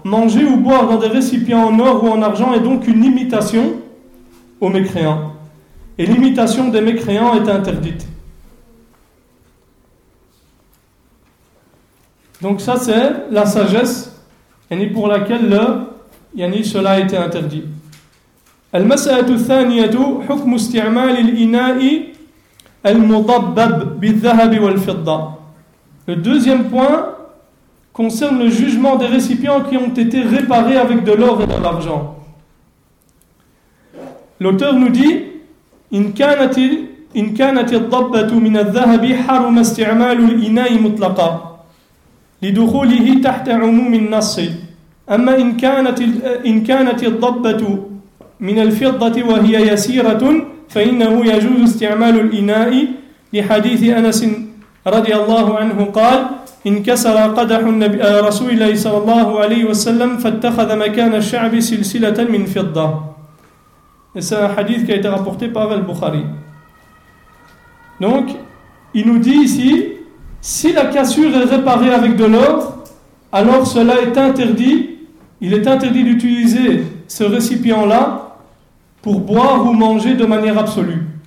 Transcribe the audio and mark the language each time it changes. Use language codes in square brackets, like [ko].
[fr] Manger ou boire dans des récipients en or ou en argent est donc une imitation aux mécréants. Et l'imitation des mécréants est interdite. Donc ça, c'est la sagesse pour laquelle cela a été interdit. [ar] المسألة الثانية حكم استعمال الإناء المضبب بالذهب والفضة. [fr] Le deuxième point concerne le jugement des récipients qui ont été réparés avec de l'or et de l'argent. L'auteur nous dit [ar] إن كانت الضبة من الذهب حرم استعمال الإناء مطلقا لدخوله تحت عموم النص أما إن كانت الضبة من الفضة وهي يسيرة فإنه يجوز استعمال الإناء لحديث أنس رضي الله عنه قال انكسر قدح رسول الله صلى الله عليه وسلم فاتخذ مكان الشعب سلسلة من فضة. [fr] C'est un hadith qui a été rapporté par Al-Bukhari. Donc, il nous dit ici, si la cassure est réparée avec de l'or, alors cela est interdit. Il est interdit d'utiliser ce récipient-là pour boire ou manger de manière absolue.